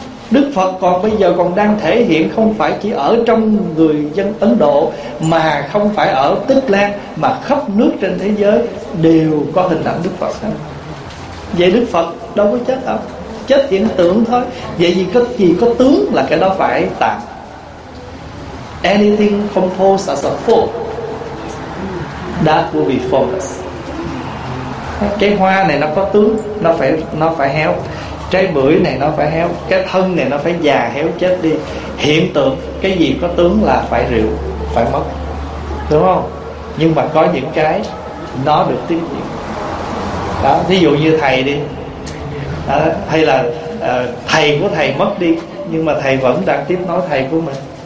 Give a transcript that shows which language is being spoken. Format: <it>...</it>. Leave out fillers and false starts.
<vi>Đức Phật còn bây giờ còn đang thể hiện, không phải chỉ ở trong người dân Ấn Độ, mà không phải ở Tích Lan, mà khắp nước trên thế giới đều có hình ảnh Đức Phật hết. Vậy Đức Phật đâu có chết đâu, chết hiện tượng thôi. Vậy vì cái gì có tướng là cái đó phải tạm.</vi> <en>Anything composed as a form, that will be formless.</en> <vi>Cái hoa này nó có tướng, nó phải héo. Trái bưởi này nó phải héo. Cái thân này nó phải già héo chết đi. Hiện tượng, cái gì có tướng là phải rượu, phải mất, đúng không? Nhưng mà có những cái nó được tiếp diễn. Đó, ví dụ như thầy đi đó, hay là thầy của thầy mất đi, nhưng mà thầy vẫn đang tiếp nối thầy của mình.</vi>